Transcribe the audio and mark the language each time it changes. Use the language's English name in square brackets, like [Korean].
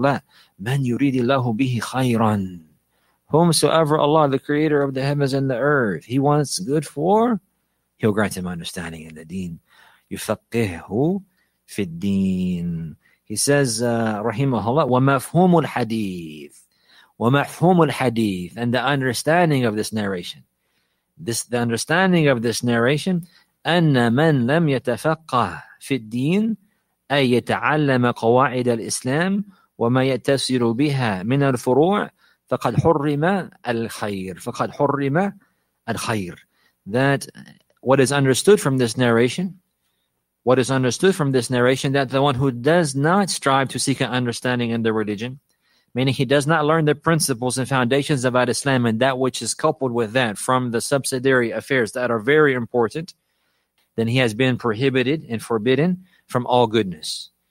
[Arabic] La man yuridi Allahu bihi khayran. [English] Whomsoever Allah, the creator of the heavens and the earth, he wants good for, he'll grant him understanding in the deen. [Arabic] يُفَقِّهُ فِي الدِّينِ. [English] He says, rahimahullah, [Arabic] وَمَفْهُومُ الْحَدِيثِ. وَمَفْهُومُ الْحَدِيثِ. [English] And the understanding of this narration. This, the understanding of this narration, [Arabic] أن من لم يتفقه في الدين أي يتعلم قواعد الإسلام وما يتسر بها من الفروع فقد حرم الخير. فقد حرم الخير. [English] That what is understood from this narration, what is understood from this narration, that the one who does not strive to seek an understanding in the religion, meaning he does not learn the principles and foundations of Islam and that which is coupled with that from the subsidiary affairs that are very important, then he has been prohibited and forbidden from all goodness.